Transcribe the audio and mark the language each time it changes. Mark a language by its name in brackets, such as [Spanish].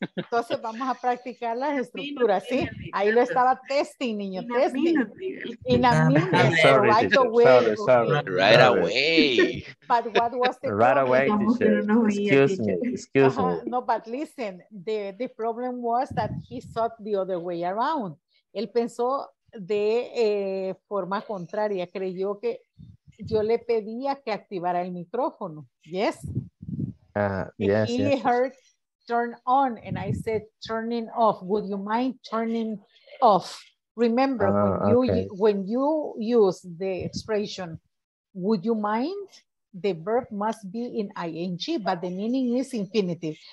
[Spanish] Entonces vamos a practicar las estructuras. Sí. Ahí lo estaba testing, niño. Testing. [English] In a minute. Right away. Right away. But what was the problem? Right away, teacher. Excuse me. Excuse me. No, but listen. The problem was that he thought the other way around. [Spanish] Él pensó de forma contraria, creyó que yo le pedía que activara el micrófono. [English] Yes. Yes. He heard turn on and I said turning off. Would you mind turning off? Remember, when you use the expression would you mind, the verb must be in ing, but the meaning is infinitive.